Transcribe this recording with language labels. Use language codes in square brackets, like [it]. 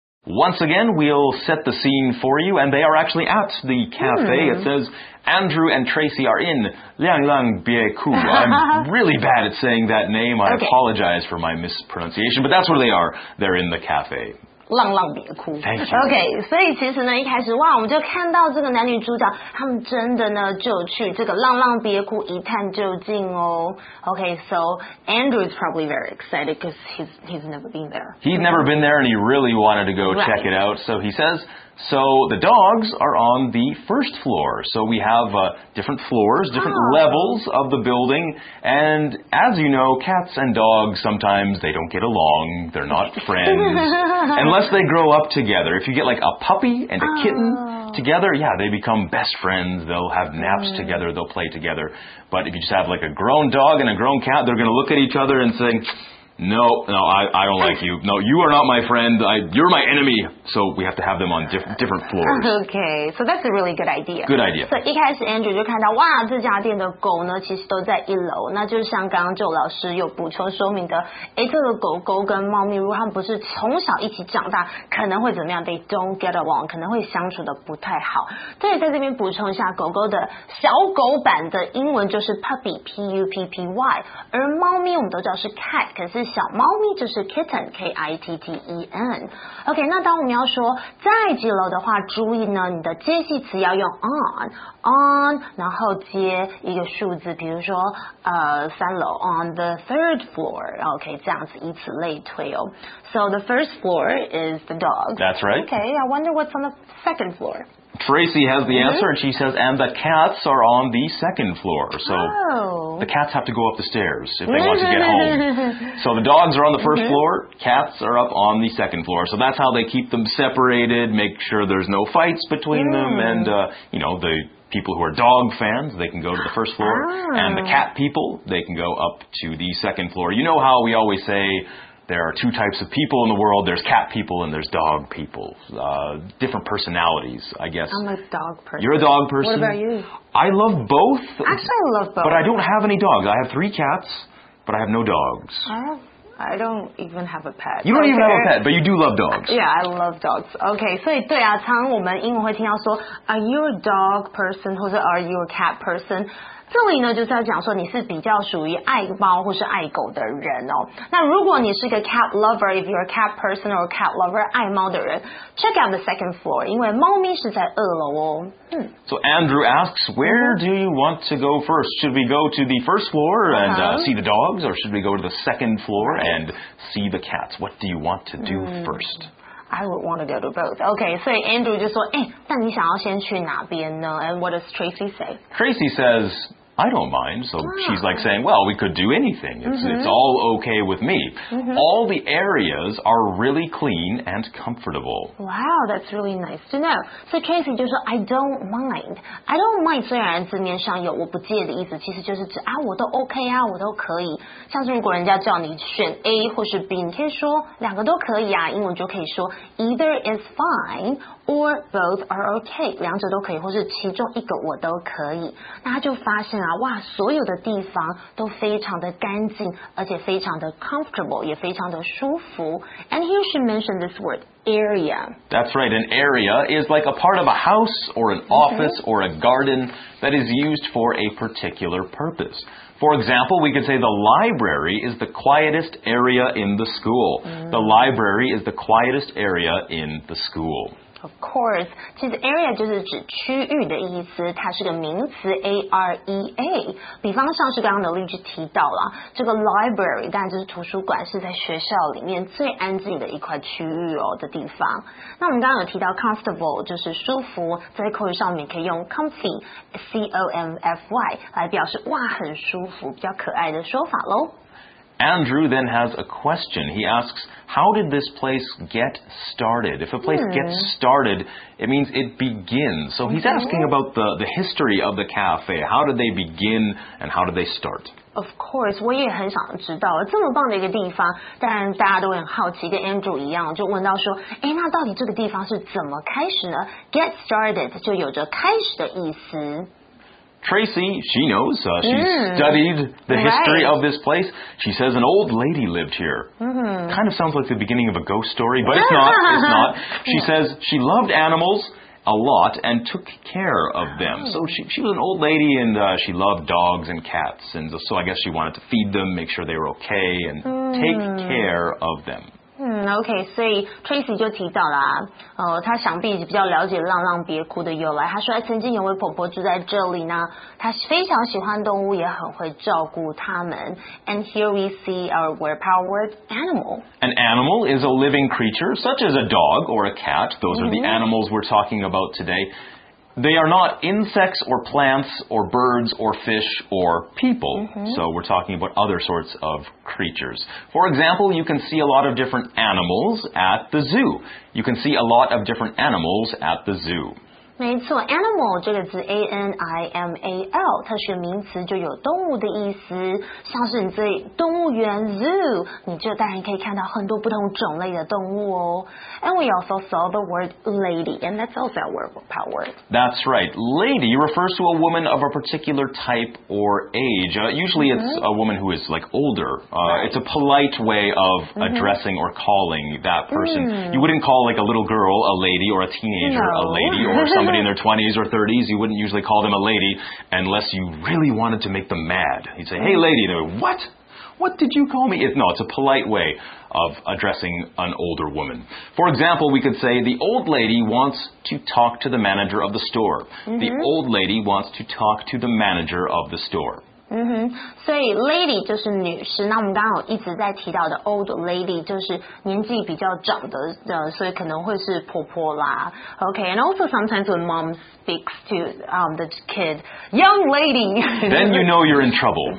[en] Once again, we'll set the scene for you, and they are actually at the cafe. It says, Andrew and Tracy are in 浪浪别哭. I'm really bad at saying that name. I apologize for my mispronunciation, but that's where they are. They're in the cafe. [zh] 浪浪别哭。 OK， 所以其实呢，一开始哇，我们就看到这个男女主角，他们真的呢就去这个浪浪别哭一探究竟哦。 [en] OK， so Andrew is probably very excited because he's never been there. He's never been there, and he really wanted to go check it out. So he says. So the dogs are on the first floor. So we have different floors, different levels of the building. And as you know, cats and dogs, sometimes they don't get along. They're not friends. Unless they grow up together. If you get like a puppy and a kitten together, yeah, they become best friends. They'll have naps together. They'll play together. But if you just have like a grown dog and a grown cat, they're going to look at each other and say... No, I don't like you. No, you are not my friend. You're my enemy. So we have to have them on different floors. Okay, so that's a really good idea. Good idea. [zh] So 一开始 Andrew 就看到，哇，这家店的狗呢，其实都在一楼。那就是像刚刚 Joe 老师有补充说明的，哎，这个狗狗跟猫咪，如果他们不是从小一起长大，可能会怎么样 ？ [en] They don't get along， [zh] 可能会相处的不太好。这也在这边补充一下，狗狗的小狗版的英文就是 puppy， P U P P Y， 而猫咪我们都知道是 cat， 可是小猫咪就是 kitten， K I T T E N。 OK， 那当我们要说在几楼的话，注意呢，你的接系词要用 on， 然后接一个数字，比如说三楼 [en] on the third floor。 [zh] OK， 这样子以此类推哦。 [en] So the first floor is the dog. That's right. Okay, I wonder what's on the second floor. Tracy has the answer, and she says, and the cats are on the second floor. So the cats have to go up the stairs if they want to get home. So the dogs are on the first floor, cats are up on the second floor. So that's how they keep them separated, make sure there's no fights between them, and, you know, the people who are dog fans, they can go to the first floor, and the cat people, they can go up to the second floor. You know how we always say... There are two types of people in the world. There's cat people and there's dog people. Different personalities, I guess. I'm a dog person. You're a dog person. What about you? I love both. Actually, I love both. But I don't have any dogs. I have three cats, but I have no dogs. I don't even have a pet. You don't even have a pet, but you do love dogs. Yeah, I love dogs. [zh] Okay, 所以对啊，常常我们英文会听到说 , [en] Are you a dog person? [zh] 或者 [en] Are you a cat person? [zh] 这里呢就是要讲说你是比较属于爱猫或是爱狗的人哦。那如果你是一个 [en] cat lover, if you're a cat person or a cat lover, [zh] 爱猫的人 [en] check out the second floor, [zh] 因为猫咪是在二楼哦。 [en] So Andrew asks, where do you want to go first? Should we go to the first floor and see the dogs, or should we go to the second floor and see the cats? What do you want to do first? I would want to go to both. [zh] Okay, so Andrew 就说，哎，那你想要先去哪边呢？ [en] And what does Tracy say? Tracy says, I don't mind. So she's like saying, well, we could do anything. It's all okay with me. All the areas are really clean and comfortable. Wow, that's really nice to know. So Tracy [zh] 就说 [en] I don't mind. I don't mind [zh] 虽然字面上有我不介的意思，其实就是指啊，我都 OK 啊，我都可以。像是如果人家叫你选 A 或是 B， 你可以说两个都可以啊。英文就可以说 [en] either is fine or both are okay， [zh] 两者都可以，或是其中一个我都可以。那他就发现。哇，所有的地方都非常的干净，而且非常的 comfortable， 也非常的舒服。 [en] And here she mentioned this word area. That's right. An area is like a part of a house or an office or a garden that is used for a particular purpose. For example, we could say the library is the quietest area in the school. The library is the quietest area in the school. Of course, [zh] 其实 area 就是指区域的意思，它是个名词 area。比方像是刚刚的例句提到了，这个 library 当然就是图书馆，是在学校里面最安静的一块区域哦的地方。那我们刚刚有提到 comfortable 就是舒服，在口语上面可以用 comfy, C O M F Y 来表示哇很舒服，比较可爱的说法喽。 [en] Andrew then has a question. He asks, how did this place get started? If a place gets started, it means it begins. So he's asking about the history of the cafe. How did they begin and how did they start? Of course, [zh] 我也很想知道这么棒的一个地方，当然大家都很好奇，跟 Andrew 一样就问到说，诶，那到底这个地方是怎么开始呢？ [en] Get started [zh] 就有着开始的意思。 [en] Tracy, she knows. She studied the history of this place. She says an old lady lived here. Kind of sounds like the beginning of a ghost story, but it's not. It's not. She says she loved animals a lot and took care of them. So she was an old lady and she loved dogs and cats. And so I guess she wanted to feed them, make sure they were okay, and take care of them. [zh] OK, 所以 Tracy 就提到了他想必比较了解浪浪别哭的由来，他说曾经有位婆婆住在这里呢，他非常喜欢动物，也很会照顾他们。 [en] And here we see our word power word animal. An animal is a living creature such as a dog or a cat. Those are the animals we're talking about today. They are not insects or plants or birds or fish or people. So we're talking about other sorts of creatures. For example, you can see a lot of different animals at the zoo. You can see a lot of different animals at the zoo. [zh] 没错 ，animal 这个字 ，A-N-I-M-A-L， 它是个名词，就有动物的意思。像是你在动物园 zoo， 你就当然可以看到很多不同种类的动物哦。 [en] And we also saw the word lady， and that's also our power word. That's right. Lady refers to a woman of a particular type or age. Usually it's a woman who is like older. It's a polite way of addressing or calling that person. You wouldn't call like a little girl a lady or a teenager a lady or somebody in their 20s or 30s, you wouldn't usually call them a lady unless you really wanted to make them mad. You'd say, hey, lady. And they'd go, what? What did you call me? It's a polite way of addressing an older woman. For example, we could say, the old lady wants to talk to the manager of the store. The old lady wants to talk to the manager of the store. [zh] 所以 lady 就是女士，那我们刚刚一直在提到的 old lady 就是年纪比较长的，所以可能会是婆婆啦。 [en] Okay, and also sometimes when mom speaks to the kid, young lady, then you know you're in trouble.